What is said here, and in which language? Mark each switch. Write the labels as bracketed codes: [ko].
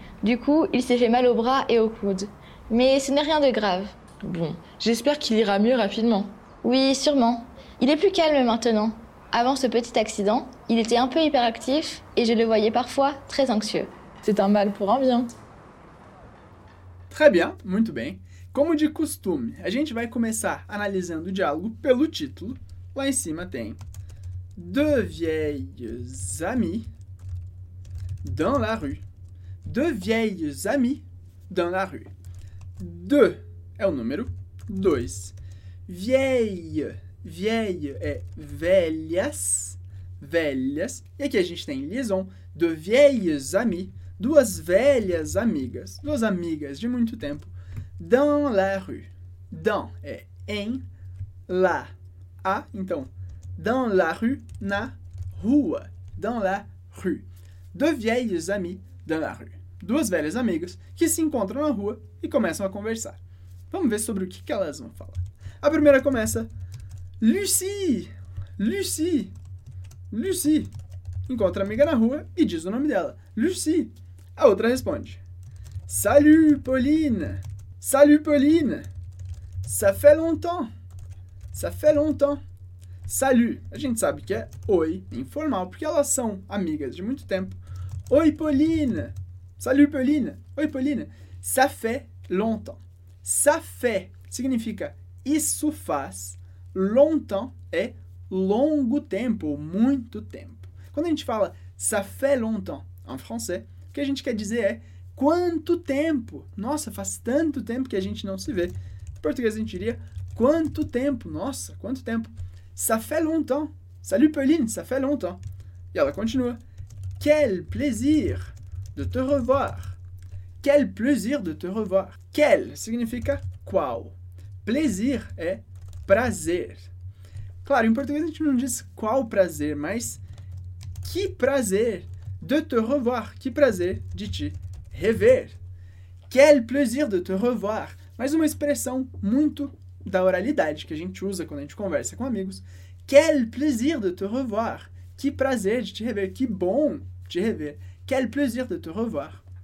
[fr] Du coup, il s'est fait mal au bras et au coude. Mais ce n'est rien de grave. Bon, j'espère qu'il ira mieux rapidement. Oui, sûrement. Il est plus calme maintenant. Avant ce petit accident, il était un peu hyperactif et je le voyais parfois très anxieux. C'est un mal pour un bien. Très bien, [pt] muito bem. Como de costume, a gente vai começar analisando o diálogo pelo título. Lá em cima tem... [fr] Deux vieilles amies dans la rue. Deux vieilles amies dans la rue. [pt] Deux é o número. Dois. Vieille. Vieille é velhas. Velhas. E aqui a gente tem liaison. [fr] Deux vieilles amies. [pt] Duas velhas amigas. Duas amigas de muito tempo. Dans la rue. Dans é em. La. A. Então. [fr] Dans la rue, [pt] na rua. [fr] Dans la rue. Deux vieilles amies dans la rue. [pt] Duas velhas amigas que se encontram na rua e começam a conversar. Vamos ver sobre o que elas vão falar. A primeira começa... Lucie! Lucie! Lucie! Encontra a amiga na rua e diz o nome dela. Lucie! A outra responde... [fr] Salut, Pauline! Salut, Pauline! Ça fait longtemps! Ça fait longtemps! [pt] Salut, a gente sabe que é oi, informal, porque elas são amigas de muito tempo. Oi, Pauline. [fr] Salut, Pauline. Oi, Pauline. Ça fait longtemps. [pt] Ça fait significa isso faz. Longtemps é longo tempo, muito tempo. Quando a gente fala [fr] ça fait longtemps [pt] em français, o que a gente quer dizer é quanto tempo. Nossa, faz tanto tempo que a gente não se vê. Em português a gente diria quanto tempo. Nossa, quanto tempo. [fr] Ça fait longtemps. Salut Pauline, ça fait longtemps. [pt] E ela continua. [fr] Quel plaisir de te revoir. Quel plaisir de te revoir. [pt] Quel significa qual. Plaisir é prazer. Claro, em português a gente não diz qual prazer, mas que prazer [fr] de te revoir. [pt] Que prazer de te rever. [fr] Quel plaisir de te revoir. [pt] Mais uma expressão muito da oralidade que a gente usa quando a gente conversa com amigos. [fr] Quel plaisir de te revoir. [pt] Que prazer de te rever. Que bom te rever. [fr] Quel plaisir de te revoir.